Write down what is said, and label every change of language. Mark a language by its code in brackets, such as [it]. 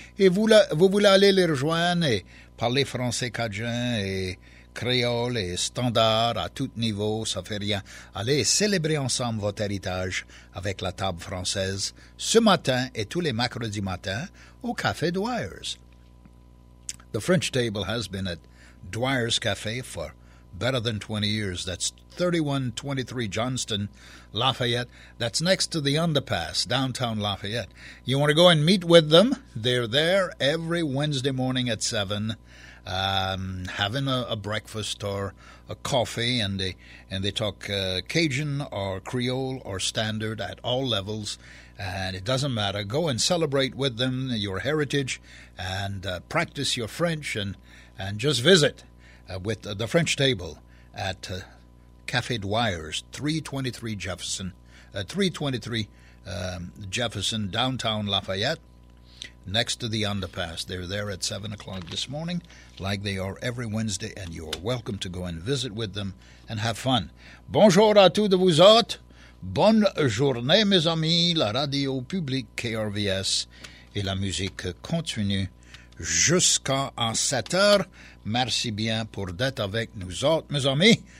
[fr] Et vous, vous voulez aller les rejoindre et parler français cajun et créole et standard à tout niveau, ça fait rien. Allez célébrer ensemble votre héritage avec la table française ce matin et tous les mercredis matins au Café Dwyer's. [en] The French Table has been at Dwyer's Café for better than 20 years. That's 3123 Johnston, Lafayette. That's next to the underpass, downtown Lafayette. You want to go and meet with them? They're there every Wednesday morning at 7, having a breakfast or a coffee, and they talk Cajun or Creole or standard at all levels, and it doesn't matter. Go and celebrate with them your heritage and practice your French and just visit with the French Table at Café Dwyer's, 323 Jefferson, downtown Lafayette, next to the underpass. They're there at 7 o'clock this morning, like they are every Wednesday, and you're welcome to go and visit with them and have fun. [fr] Bonjour à tous de vous autres. Bonne journée, mes amis. La radio publique KRVS et la musique continue jusqu'à 7 heures. Merci bien pour d'être avec nous autres, mes amis.